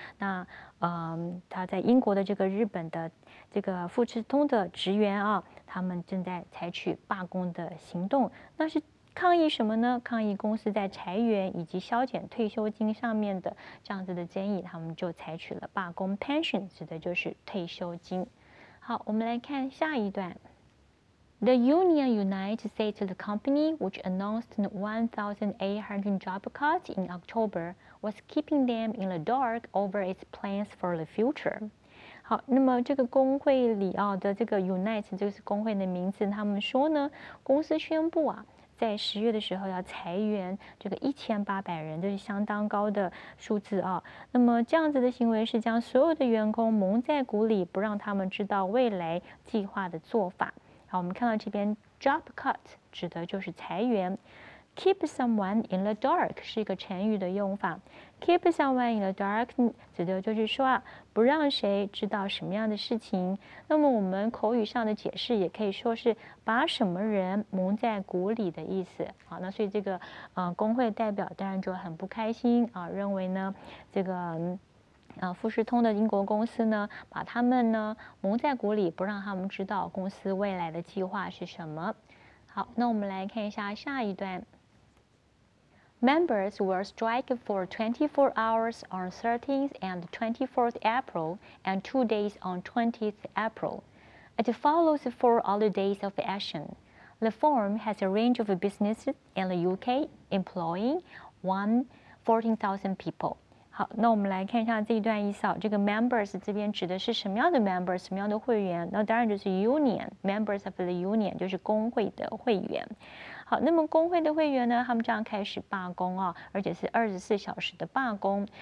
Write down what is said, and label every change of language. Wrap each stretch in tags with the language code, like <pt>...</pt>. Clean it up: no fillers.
<zh>那它在英国的这个日本的这个富士通的职员啊，他们正在采取罢工的行动，那是抗议什么呢？抗议公司在裁员以及削减退休金上面的这样子的建议，他们就采取了罢工。 Pension 指的就是退休金。好，我们来看下一段。</zh> <en>The Union United States, the company which announced 1,800 job cuts in October, was keeping them in the dark over its plans for the future.</en> <zh>好，那么这个工会里啊的这个 United， 这个是工会的名字。他们说呢，公司宣布啊，在十月的时候要裁员这个1800人，这是相当高的数字啊。那么这样子的行为是将所有的员工蒙在鼓里，不让他们知道未来计划的做法。好，我们看到这边 job cut 指的就是裁员。</zh> <en>keep someone in the dark</en> <zh>是一个成语的用法。</zh> <en>keep someone in the dark</en> <zh>指的就是说啊，不让谁知道什么样的事情。那么我们口语上的解释也可以说是把什么人蒙在鼓里的意思。好，那所以这个工会代表当然就很不开心啊，认为呢这个富士通的英国公司呢，把他们呢蒙在鼓里，不让他们知道公司未来的计划是什么。好，那我们来看一下下一段。</zh> <en>Members will strike for 24 hours on 13th and 24th April and 2 days on 20th April. It follows four other days of action. The firm has a range of businesses in the UK, employing 14,000 people.</en> <zh>好，那我们来看一下这一段意思啊。这个 members 这边指的是什么样的 members， 什么样的会员？那当然就是</zh> <en>union members of the union，</en> <zh>就是工会的会员。好，那么工会的会员呢，他们将开始罢工啊，而且是24小时的罢工。</zh>